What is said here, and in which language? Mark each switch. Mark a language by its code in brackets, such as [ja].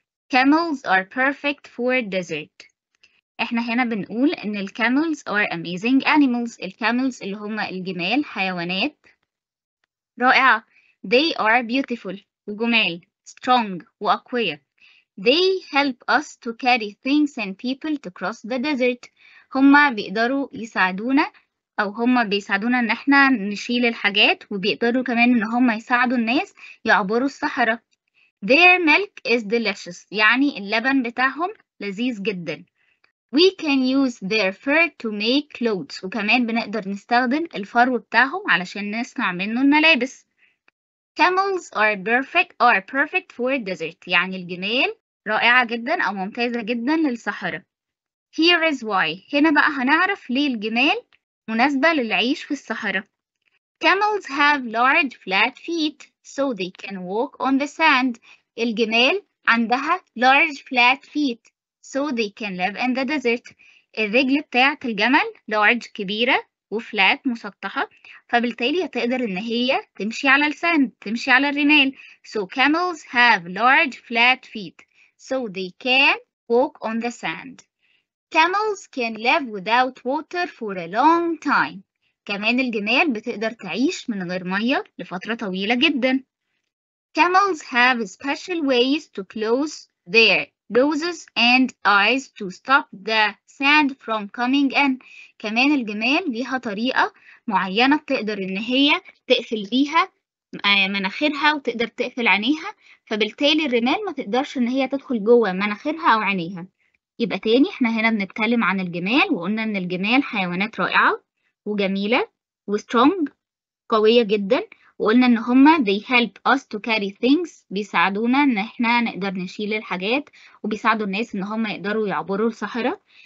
[en] Camels are perfect for desert. [ar] احنا هنا بنقول ان الكاملز [en] are amazing animals. [ar] الكاملز اللي هما الجمال حيوانات رائعة. [en] They are beautiful [ar] وجمال [en] strong [ar] وأقوياء. [en] They help us to carry things and people to cross the desert. [ar] هما بيقدروا يساعدونا أو هما بيساعدونا إن إحنا نشيل الحاجات وبيقدروا كمان إن هما يساعدوا الناس يعبروا الصحراء. [en] Their milk is delicious. [ar] يعني اللبن بتاعهم لذيذ جدا. [en] We can use their fur to make clothes. [ar] وكمان بنقدر نستخدم الفرو بتاعهم علشان نصنع منه الملابس. [en] Camels are perfect for desert. [ar] يعني الجمال رائعة جدا أو ممتازة جدا للصحراء. [en] Here is why. [ar] هنا بقى هنعرف ليه الجمال مناسبة للعيش في الصحراء. [en] Camels have large flat feet so they can walk on the sand. [ar] الجمال عندها [en] large flat feet so they can live in the desert. [ar] الرجل بتاعة الجمل large كبيرة وفلات مسطحة فبالتالي هتقدر ان هي تمشي على الساند تمشي على الرمال. [en] So camels have large flat feet so they can walk on the sand. Camels can live without water for a long time. [ar] كمان الجمال بتقدر تعيش من غير مية لفترة طويلة جدا. [en] Camels have special ways to close their noses and eyes to stop the sand from coming in. [ar] كمان الجمال ليها طريقة معينة بتقدر ان هي تقفل بيها مناخيرها وتقدر تقفل عينيها فبالتالي الرمال ما تقدرش ان هي تدخل جوه مناخيرها او عينيها. يبقى تاني احنا هنا بنتكلم عن الجمال وقلنا ان الجمال حيوانات رائعة وجميلة وسترونج قوية جدا وقلنا ان هما [en] they help us to carry things [ar] بيساعدونا ان احنا نقدر نشيل الحاجات وبيساعدوا الناس ان هما يقدروا يعبروا الصحراء.